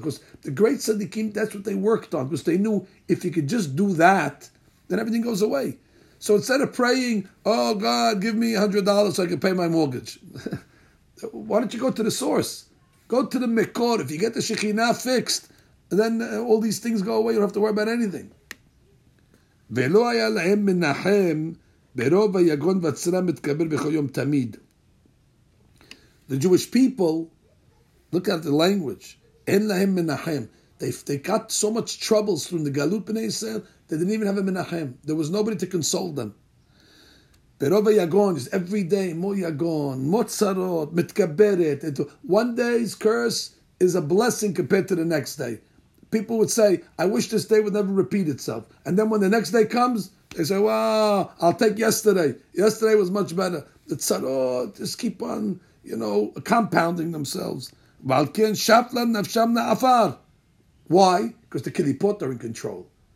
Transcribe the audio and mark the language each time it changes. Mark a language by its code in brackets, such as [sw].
[en] Because the great Tzaddikim, that's what they worked on. Because they knew if you could just do that, then everything goes away. So instead of praying, oh God, give me $100 so I can pay my mortgage. Why don't you go to the source? Go to the Mekor. If you get the Shekhinah fixed, then all these things go away. You don't have to worry about anything. [he] ולא היה להם מנחם ברוב היגון והצרה מתקבל בכל יום תמיד. [en] The Jewish people, look at the language, [he] אין להם מנחם. [en] They got so much troubles from the Galut Bnei Yisrael, they didn't even have a menachem. There was nobody to console them. [he] ברוב היגון, [en] just every day, more יגון, more צרות, מתקברת. One day's curse is a blessing compared to the next day. People would say, I wish this day would never repeat itself. And then when the next day comes, they say, well, I'll take yesterday. Yesterday was much better. The tzarot just keep on, you know, compounding themselves. Why? Because the kilipot are in control.